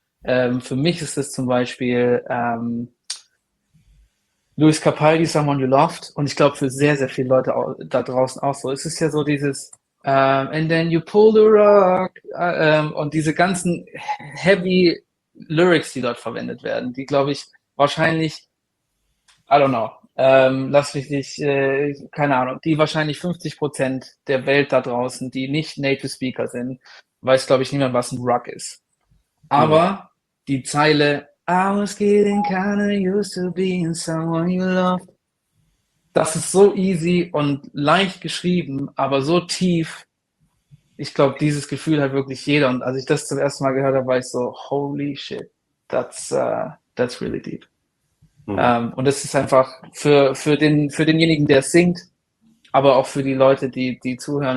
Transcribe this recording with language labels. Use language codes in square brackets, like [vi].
[de] Für mich ist es zum Beispiel Luis Capaldi, Someone You Loved, und ich glaube für sehr, sehr viele Leute auch, da draußen auch so. Es ist ja so dieses [en] And then you pull the rug [de] und diese ganzen heavy Lyrics, die dort verwendet werden, die glaube ich wahrscheinlich, [en] I don't know, [de] lass mich nicht, keine Ahnung, die wahrscheinlich 50% der Welt da draußen, die nicht Native Speaker sind, weiß glaube ich niemand, was ein Rug ist. Aber die Zeile, [en] I was getting kinda used to being someone you loved. [de] Das ist so easy und leicht geschrieben, aber so tief. Ich glaube, dieses Gefühl hat wirklich jeder. Und als ich das zum ersten Mal gehört habe, war ich so, [en] holy shit, that's really deep. [de] Und es ist einfach für denjenigen, der singt, aber auch für die Leute, die zuhören.